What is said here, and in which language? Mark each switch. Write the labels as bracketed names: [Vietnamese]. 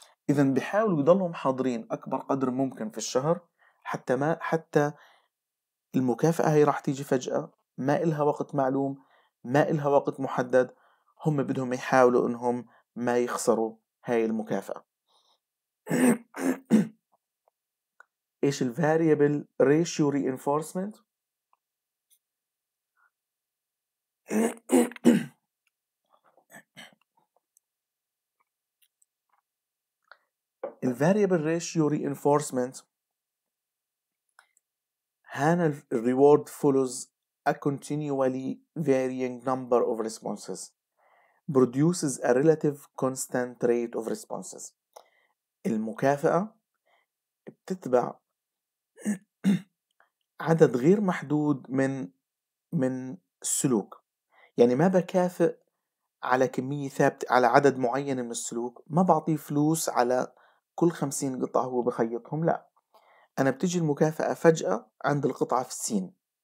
[Arabic] اذا بيحاولوا يضلهم حاضرين اكبر قدر ممكن في الشهر، حتى المكافأة هي راح تيجي فجأة، ما إلها وقت معلوم، ما إلها وقت محدد، هم بدهم يحاولوا أنهم ما يخسروا هاي المكافأة. إيش الـ [English] variable ratio reinforcement؟ الـ variable ratio reinforcement [Arabic] هنا الريورد [English] follows a continually varying number of responses produces a relative constant rate of responses. [Arabic] المكافأة بتتبع عدد غير محدود من السلوك، يعني ما بكافئ على كمية ثابتة على عدد معين من السلوك، ما بعطيه فلوس على كل 50 قطعة هو بخيطهم، لا، أنا بتجي المكافأة فجأة عند القطعة في السين.